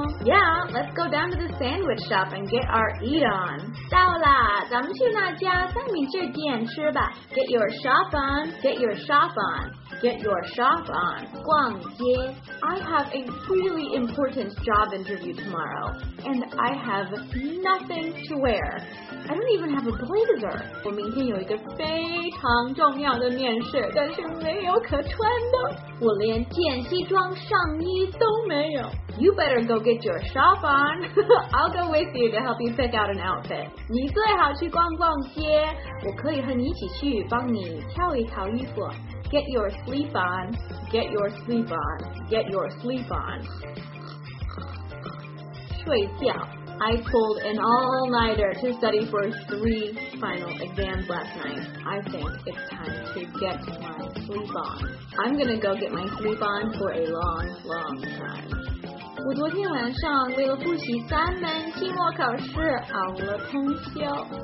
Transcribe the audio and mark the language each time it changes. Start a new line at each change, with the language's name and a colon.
English: Yeah, let's go down to the sandwich shop and get our eat on.
Chinese: 到了，咱们去那家三明治店吃吧。
English: Get your shop on, get your shop on, get your shop on.
Chinese: 逛街。
English: I have a really important job interview tomorrow, and I have nothing to wear. I don't even have a blazer.
Chinese: 我明天有一个非常重要的面试，但是没有可穿的。我连件西装上衣都没有。
English: You better go get your shop on. I'll go with you to help you pick out an outfit.
Chinese: 你最好去逛逛街，我可以和你一起去帮你挑一挑衣服。
English: Get your sleep on, get your sleep on, get your sleep on. 睡觉。I pulled an all-nighter to study for 3 final exams last night. I think it's time to get my sleep on. I'm gonna go get my sleep on for a long, long time.
Chinese: 我昨天晚上为了复习三门期末考试熬了通宵，